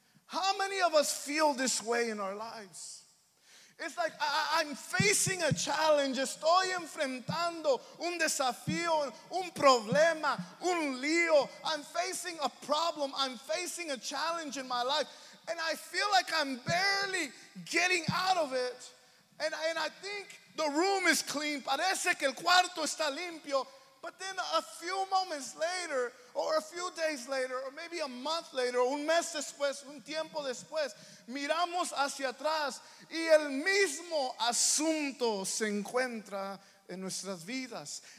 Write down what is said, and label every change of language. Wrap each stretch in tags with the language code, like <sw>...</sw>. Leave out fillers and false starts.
<en>How many of us feel this way in our lives? It's like I'm facing a challenge.</en> <es>Estoy enfrentando un desafío, un problema, un lío.</es> <en>I'm facing a problem. I'm facing a challenge in my life. And I feel like I'm barely getting out of it. And I think the room is clean.</en> <es>Parece que el cuarto está limpio.</es> <en>But then a few moments later, or a few days later, or maybe a month later,</en> <es>un mes después, un tiempo después, miramos hacia atrás y el mismo asunto se encuentra en nuestras vidas.</es>